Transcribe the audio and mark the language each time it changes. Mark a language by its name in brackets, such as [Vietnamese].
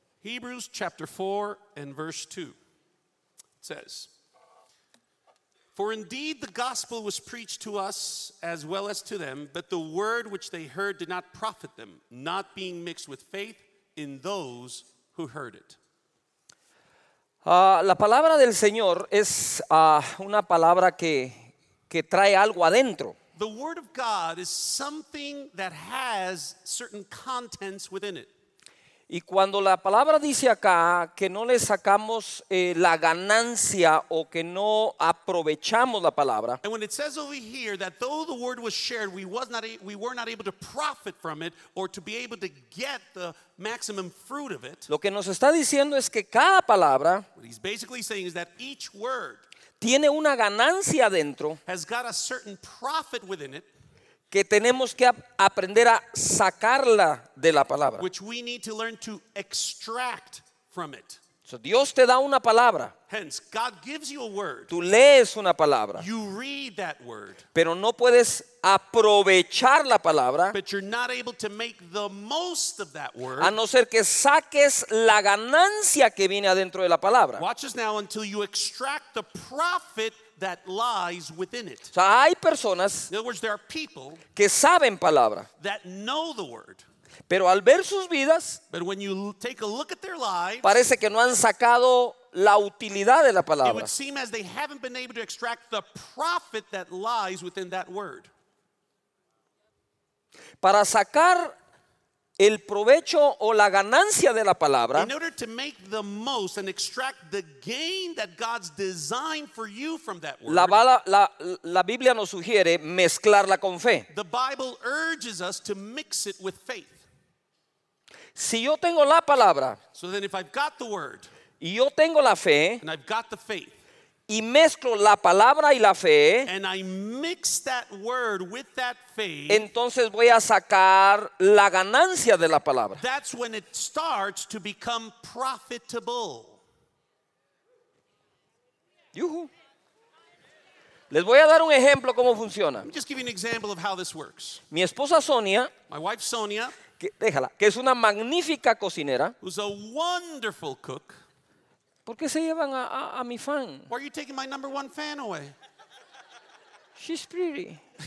[English] Hebrews chapter 4 and verse 2. It says, "For indeed the gospel was preached to us as well as to them, but the word which they heard did not profit them, not being mixed with faith in those who heard it." [Spanish] La palabra del Señor es una palabra que trae algo adentro. [English] The word of God is something that has certain contents within it. [Spanish] Y cuando la palabra dice acá que no le sacamos la ganancia o que no aprovechamos la palabra. [English] And when it says over here that though the word was shared, we were not able to profit from it or to be able to get the maximum fruit of it. [Spanish] Lo que nos está diciendo es que cada palabra. [English] What he's basically saying is that each word. [Spanish] Tiene una ganancia dentro. [English] Has got a certain profit within it. [Spanish] que tenemos que aprender a sacarla de la palabra. [English] Which we need to learn to extract from it. [Spanish] So Dios te da una palabra. [English] Hence, God gives you a word. [Spanish] Tú lees una palabra. [English] You read that word. [Spanish] Pero no puedes aprovechar la palabra. [English] But you're not able to make the most of that word. [Spanish] A no ser que saques la ganancia que viene adentro de la palabra. [English] Watch us now until you extract the profit that lies within it. [Spanish] O sea, hay personas, [English] in other words, there are people [Spanish] que saben palabra, [English] that know the word. [Spanish] Pero al ver sus vidas, [English] but when you take a look at their lives, [Spanish] parece que no han sacado la utilidad de la palabra. [English] It would seem as they haven't been able to extract the profit that lies within that word. [Spanish] Para sacar el provecho o la ganancia de la palabra, [English] in order to make the most and extract the gain that God's designed for you from that word, [Spanish] la Biblia nos sugiere mezclarla con fe. [English] The Bible urges us to mix it with faith. [Spanish] Si yo tengo la palabra, [English] so then if I've got the word, [Spanish] y yo tengo la fe, [English] and I've got the faith, [Spanish] y mezclo la palabra y la fe, [English] and I mix that word with that faith, [Spanish] entonces voy a sacar la ganancia de la palabra. [English] That's when it starts to become profitable. Yuhu. [Spanish] Les voy a dar un ejemplo cómo funciona. [English] Let me just give you an example of how this works. [Spanish] Mi esposa Sonia, [English] my wife Sonia, [Spanish] déjala, que es una magnífica cocinera. [English] Who's a wonderful cook. [Spanish] ¿Por qué se llevan a mi fan? [English] Why are you taking my number one fan away? She's pretty.